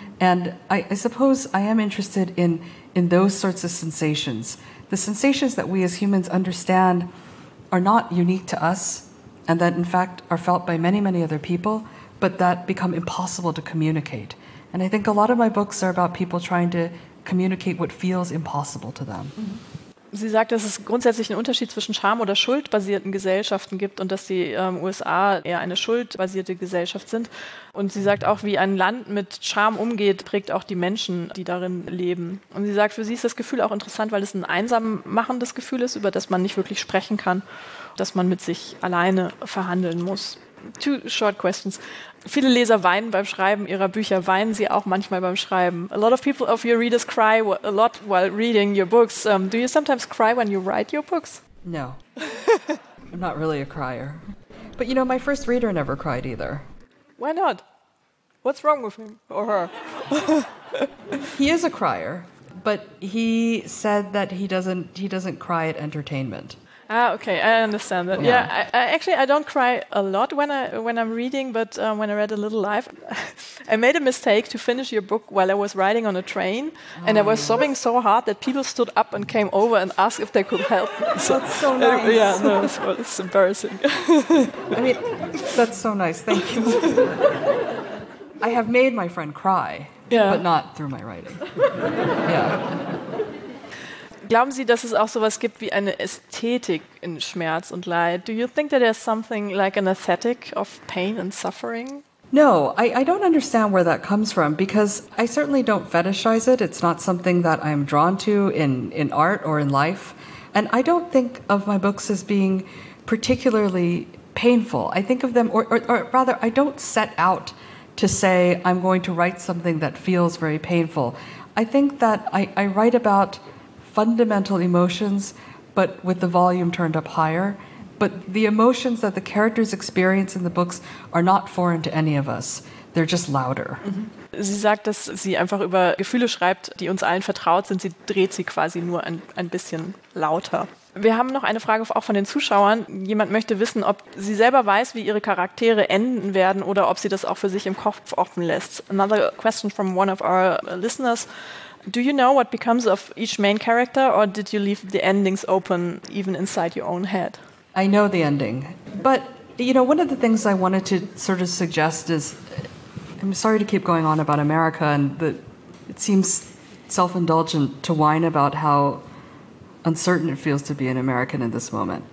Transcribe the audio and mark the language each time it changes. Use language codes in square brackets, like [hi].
[en] And I suppose I am interested in those sorts of sensations. The sensations that we as humans understand are not unique to us, and that in fact are felt by many, many other people, but that become impossible to communicate. And I think a lot of my books are about people trying to communicate what feels impossible to them. Mm-hmm. [de] Sie sagt, dass es grundsätzlich einen Unterschied zwischen scham- oder schuldbasierten Gesellschaften gibt und dass die USA eher eine schuldbasierte Gesellschaft sind. Und sie sagt auch, wie ein Land mit Scham umgeht, prägt auch die Menschen, die darin leben. Und sie sagt, für sie ist das Gefühl auch interessant, weil es ein einsam machendes Gefühl ist, über das man nicht wirklich sprechen kann, dass man mit sich alleine verhandeln muss. [en] 2 short questions. [de] Viele Leser weinen beim Schreiben ihrer Bücher. Weinen sie auch manchmal beim Schreiben? [en] A lot of people of your readers cry a lot while reading your books. Do you sometimes cry when you write your books? No. I'm not really a crier. But you know, my first reader never cried either. Why not? What's wrong with him or her? He is a crier, but he said that he doesn't cry at entertainment. Ah, okay, I understand that. Yeah, yeah. I don't cry a lot when I'm reading, but when I read A Little Life, I made a mistake to finish your book while I was riding on a train, and I was sobbing so hard that people stood up and came over and asked if they could help. So, that's so nice. Yeah, no, it's embarrassing. I mean, that's so nice. Thank you. I have made my friend cry, but not through my writing. Yeah. [de] Glauben Sie, dass es auch sowas gibt wie eine Ästhetik in Schmerz und Leid? [en] Do you think that there's something like an aesthetic of pain and suffering? No, I don't understand where that comes from, because I certainly don't fetishize it. It's not something that I'm drawn to in art or in life. And I don't think of my books as being particularly painful. I think of them, or rather, I don't set out to say I'm going to write something that feels very painful. I think that I write about fundamental emotions, but with the volume turned up higher. But the emotions that the characters experience in the books are not foreign to any of us. They're just louder. Mm-hmm. [de] Sie sagt, dass sie einfach über Gefühle schreibt, die uns allen vertraut sind. Sie dreht sie quasi nur ein bisschen lauter. Wir haben noch eine Frage auch von den Zuschauern. Jemand möchte wissen, ob sie selber weiß, wie ihre Charaktere enden werden oder ob sie das auch für sich im Kopf offen lässt. [en] Another question from one of our listeners. Do you know what becomes of each main character, or did you leave the endings open even inside your own head? I know the ending. But, you know, one of the things I wanted to sort of suggest is, I'm sorry to keep going on about America, and it seems self-indulgent to whine about how uncertain it feels to be an American in this moment.